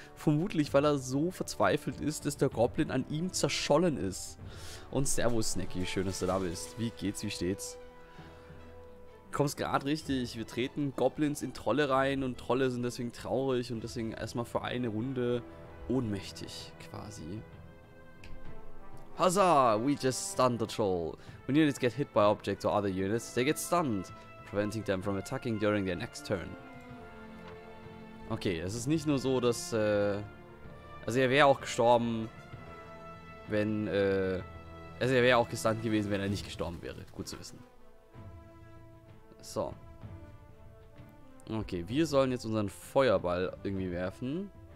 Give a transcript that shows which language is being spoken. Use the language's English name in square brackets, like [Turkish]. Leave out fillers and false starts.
[German] Vermutlich, weil er so verzweifelt ist, dass der Goblin an ihm zerschollen ist. Und servus, Snacky, schön, dass du da bist. Wie geht's, wie steht's? Kommst gerade richtig. Wir treten Goblins in Trolle rein und Trolle sind deswegen traurig und deswegen erstmal für eine Runde ohnmächtig, quasi. [English] Huzzah! We just stunned the troll. When units get hit by objects or other units, they get stunned, preventing them from attacking during their next turn. [German] Okay, es ist nicht nur so, dass, also er wäre auch gestorben, wenn, also er wäre auch gestunt gewesen, wenn er nicht gestorben wäre. Gut zu wissen. So. Okay, wir sollen jetzt unseren Feuerball irgendwie werfen.